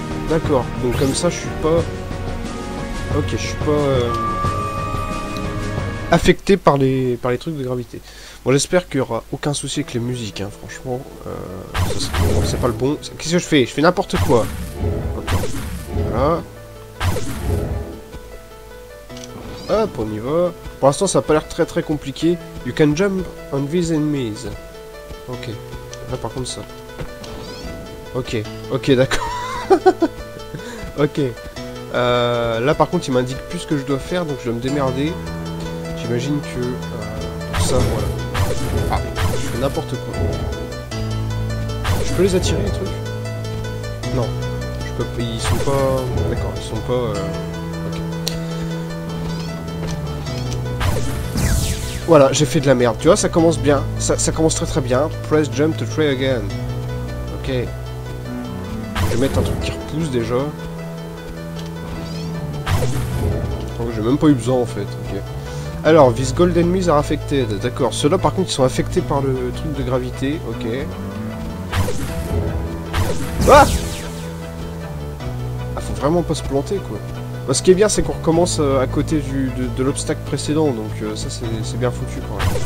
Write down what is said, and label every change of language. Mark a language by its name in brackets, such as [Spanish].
[French] D'accord, donc comme ça je suis pas. Ok, je suis pas affecté par les trucs de gravité. Bon, j'espère qu'il y aura aucun souci avec les musiques, hein, franchement. C'est pas le bon. Qu'est-ce que je fais? Je fais n'importe quoi. Voilà. Hop, on y va. Pour l'instant, ça a pas l'air très compliqué. [English] You can jump on these enemies. [French] Ok. Là, par contre, ça. Ok, d'accord. Ok. Là, par contre, il m'indique plus ce que je dois faire, donc je vais me démerder. J'imagine que... ça, voilà. Ah, je fais n'importe quoi. Je peux les attirer, les trucs? Non. Je peux... Ils sont pas... D'accord, ils sont pas... Ok. Voilà, j'ai fait de la merde. Tu vois, ça commence bien. Ça commence très bien. [English] Press jump to try again. [French] Ok. Je vais mettre un truc qui repousse, déjà. Oh, j'ai même pas eu besoin, en fait. Ok. [English] Alors, these gold enemies are affected. [French] D'accord. Ceux-là, par contre, ils sont affectés par le truc de gravité. Ok. Ah, faut vraiment pas se planter, quoi. Ce qui est bien, c'est qu'on recommence à côté de l'obstacle précédent, donc ça, c'est bien foutu, quoi.